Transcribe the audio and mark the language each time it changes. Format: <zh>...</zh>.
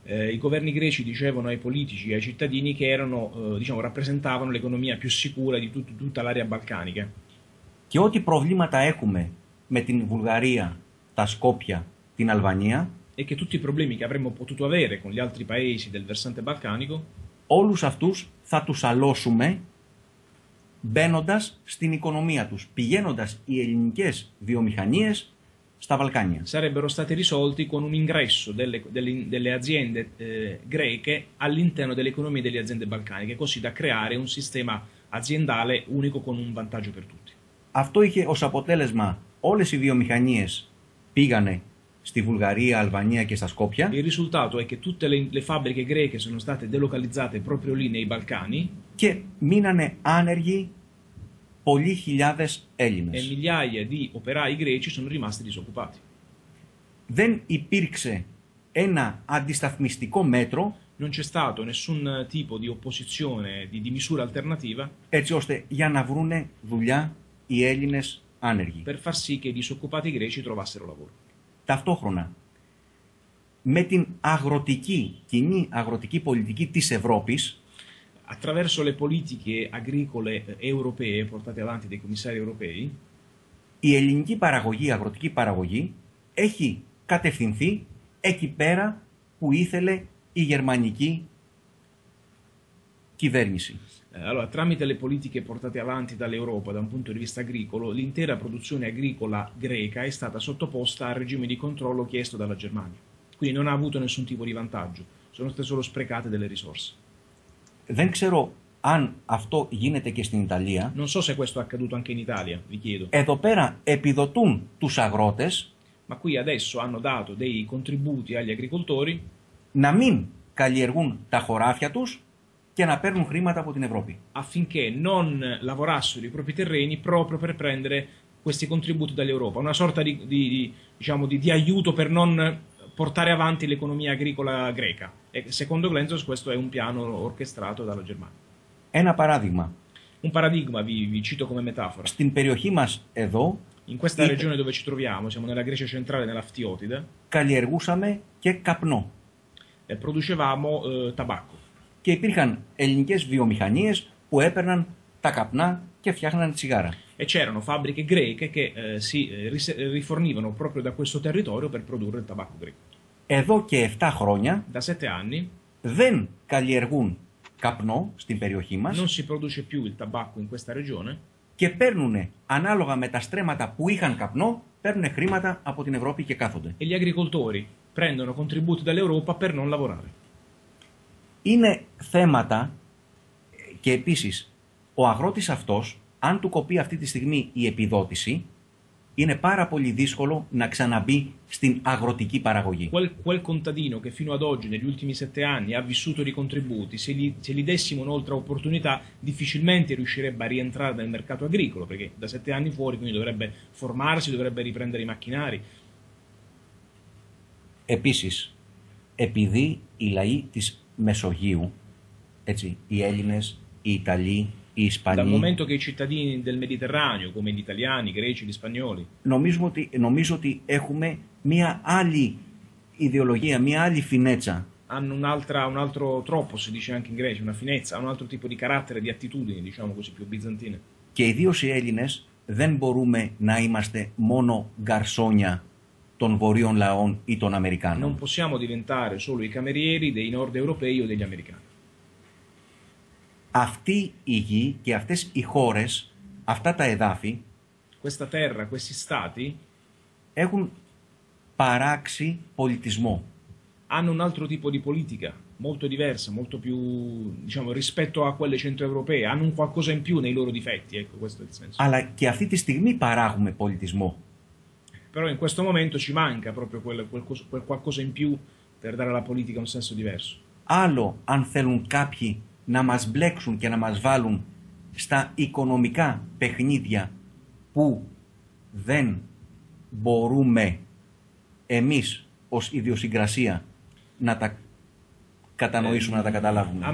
<it>I governi greci dicevano ai politici e ai cittadini che erano, diciamo, rappresentavano l'economia più sicura di tutta l'area balcanica.</it> <el>Και ό,τι προβλήματα έχουμε με την Βουλγαρία, τα Σκόπια, την Αλβανία.</el> <it>E che tutti i problemi che avremmo potuto avere con gli altri paesi del versante balcanico.</it> <el>Όλους αυτούς θα τους αλώσουμε μπαίνοντας στην οικονομία τους, πηγαίνοντας οι ελληνικές βιομηχανίες στα Βαλκάνια.</el> <it>Sarebbero stati risolti con un ingresso delle aziende greche all'interno dell'economia delle aziende balcaniche, così da creare un sistema aziendale unico con un vantaggio per tutti.</it> <el>Αυτό είχε ως αποτέλεσμα όλες οι βιομηχανίες πήγανε στη Βουλγαρία, Αλβανία και στα Σκόπια.</el> <it>Il risultato è che tutte le fabbriche greche sono state delocalizzate proprio lì nei Balcani.</it> <el>Και μείνανε άνεργοι πολλοί χιλιάδες Έλληνες.</el> <it>E migliaia di operai greci sono rimasti disoccupati.</it> <el>Δεν υπήρξε ένα αντισταθμιστικό μέτρο.</el> <it>Non c'è stato nessun tipo di opposizione, di misura alternativa.</it> <el>Έτσι ώστε για να βρούνε δουλειά οι Έλληνες άνεργοι.</el> <it>Per far sì che i disoccupati greci trovassero lavoro.</it> <el>Ταυτόχρονα, με την αγροτική, κοινή αγροτική πολιτική της Ευρώπης,</el> <it>attraverso le politiche agricole europee portate avanti dai commissari europei,</it> <el>η ελληνική παραγωγή, η αγροτική παραγωγή, έχει κατευθυνθεί εκεί πέρα που ήθελε η γερμανική κυβέρνηση.</el> <it>Allora, tramite le politiche portate avanti dall'Europa da un punto di vista agricolo, l'intera produzione agricola greca è stata sottoposta al regime di controllo chiesto dalla Germania. Quindi non ha avuto nessun tipo di vantaggio, sono state solo sprecate delle risorse.</it> <el>Δεν ξέρω αν αυτό γίνεται και στην Ιταλία.</el> <it>Non so se questo è accaduto anche in Italia, vi chiedo.</it> <el>Εδώ πέρα επιδοτούν τους αγρότες.</el> <it>Ma qui adesso hanno dato dei contributi agli agricoltori.</it> <el>Να μην καλλιεργούν τα χωράφια τους και να παίρνουν χρήματα από την Ευρώπη.</el> <it>Affinché non lavorassero i propri terreni proprio per prendere questi contributi dall'Europa. Una sorta di aiuto per non portare avanti l'economia agricola greca. E secondo Glentzos questo è un piano orchestrato dalla Germania.</it> <el>Ένα παράδειγμα.</el> <it>Un paradigma, vi cito come metafora.</it> <el>Στην περιοχή μας εδώ,</el> <it>in questa regione dove ci troviamo, siamo nella Grecia centrale, nella Ftiotide,</it> <el>καλλιεργούσαμε και καπνό.</el> <it>E producevamo tabacco.</it> <el>Και υπήρχαν ελληνικές βιομηχανίες που έπαιρναν τα καπνά και φτιάχναν τσιγάρα.</el> <it>E c'erano fabbriche greche che si rifornivano proprio da questo territorio per produrre il tabacco greco.</it> <el>Εδώ και 7 χρόνια,</el> <it>da 7 anni,</it> <el>δεν καλλιεργούν καπνό στην περιοχή μας.</el> <it>Non si produce più il tabacco in questa regione.</it> <el>Και παίρνουν, ανάλογα με τα στρέμματα που είχαν καπνό, παίρνουν χρήματα από την Ευρώπη και κάθονται.</el> <it>E gli agricoltori prendono contributi dall'Europa per non lavorare.</it> <el>Είναι θέματα και επίσης ο αγρότης αυτός, αν του κοπεί αυτή τη στιγμή η επιδότηση, είναι πάρα πολύ δύσκολο να ξαναμπεί στην αγροτική παραγωγή.</el> <it>Quel contadino che fino ad oggi, negli ultimi 7 anni, ha vissuto di contributi, se gli dessimo un'altra opportunità, difficilmente riuscirebbe a rientrare nel mercato agricolo, perché da 7 anni fuori, quindi dovrebbe formarsi, dovrebbe riprendere i macchinari.</it> <el>Επίσης, επειδή οι λαοί της Μεσογείου, έτσι, οι Έλληνες, οι Ιταλοί, οι Ισπανοί,</el> <it>dal momento che i cittadini del Mediterraneo, come gli italiani, i greci, gli spagnoli,</it> <el>νομίζω ότι έχουμε μια άλλη ιδεολογία, μια άλλη φινέτσα.</el> <it>Hanno un altro</it> <el>τρόπο,</el> <it>si dice anche in Grecia, una finezza, un altro tipo di carattere, di attitudine, diciamo così, più bizantine.</it> <el>Και ιδίως οι Έλληνες δεν μπορούμε να είμαστε μόνο γκαρσόνια των βορείων λαών ή των Αμερικάνων.</el> <it>Non possiamo diventare solo i camerieri dei nord europei o degli americani.</it> <el>Αυτή η γη και αυτές οι χώρες, αυτά τα εδάφη,</el> <it>questa terra, questi stati,</it> <el>έχουν παράξει πολιτισμό.</el> <it>Hanno un altro tipo di politica, molto diversa, molto più, diciamo, rispetto a quelle centroeuropee. Hanno un qualcosa in più nei loro difetti, ecco, questo è il senso.</it> <el>Αλλά και αυτή τη στιγμή παράγουμε πολιτισμό.</el> <it>Però in questo momento ci manca proprio quel qualcosa in più per dare alla politica un senso diverso.</it> <el>Άλλο αν θέλουν κάποιοι να μας μπλέξουν και να μας βάλουν στα οικονομικά παιχνίδια που δεν μπορούμε εμείς ως ιδιοσυγκρασία να τα κατανοήσουμε, να τα καταλάβουμε.</el>